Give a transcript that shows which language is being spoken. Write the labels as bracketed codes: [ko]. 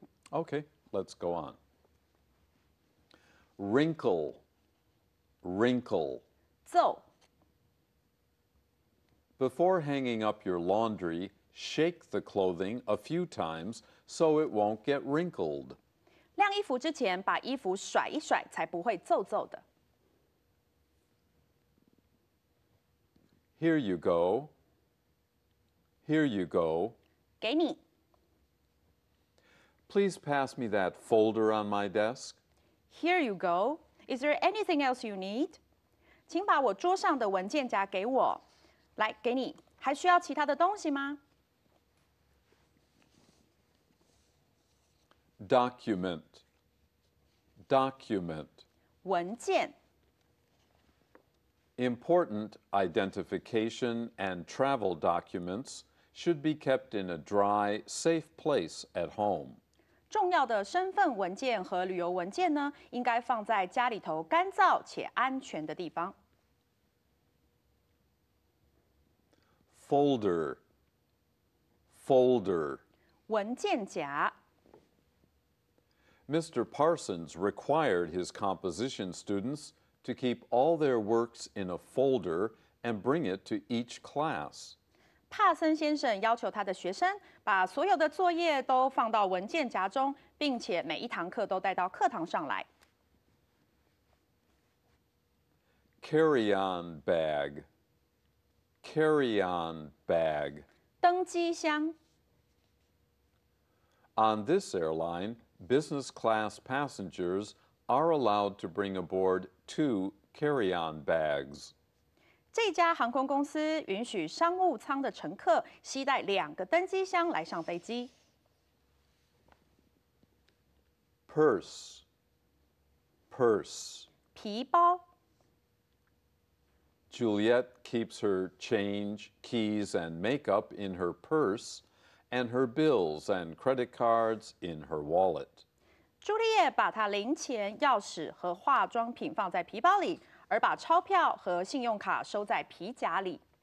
[en] Okay, let's go on. Wrinkle, wrinkle. [zh] 皱。 [en] Before hanging up your laundry, shake the clothing a few times so it won't get wrinkled. [zh] 晾衣服之前把衣服甩一甩才不会皱皱的。 [en] Here you go. Here you go. [zh] 给你。 [en] Please pass me that folder on my desk. Here you go. Is there anything else you need? [zh] 请把我桌上的文件夹给我。来，给你。还需要其他的东西吗？ [en] Document. Document. [zh] 文件。 [en] Important identification and travel documents should be kept in a dry, safe place at home. [zh] 重要的身份文件和旅游文件呢，应该放在家里头干燥且安全的地方。 [en] Folder, folder, [zh] 文件夹。 [en] Mr. Parsons required his composition students to keep all their works in a folder and bring it to each class. [zh] 帕森先生要求他的学生把所有的作业都放到文件夹中，并且每一堂课都带到课堂上来。 [en] carry-on bag. Carry-on bag. [zh] 登机箱 [en] On this airline, business class passengers are allowed to bring aboard two carry-on bags. [zh] 这家航空公司允许商务舱的乘客携带两个登机箱来上飞机。 [en] Purse. [zh] 皮包。 [en] Juliet keeps her change, keys, and makeup in her purse, and her bills and credit cards in her wallet. [zh] 朱丽叶把她零钱、钥匙和化妆品放在皮包里，而把钞票和信用卡收在皮夹里。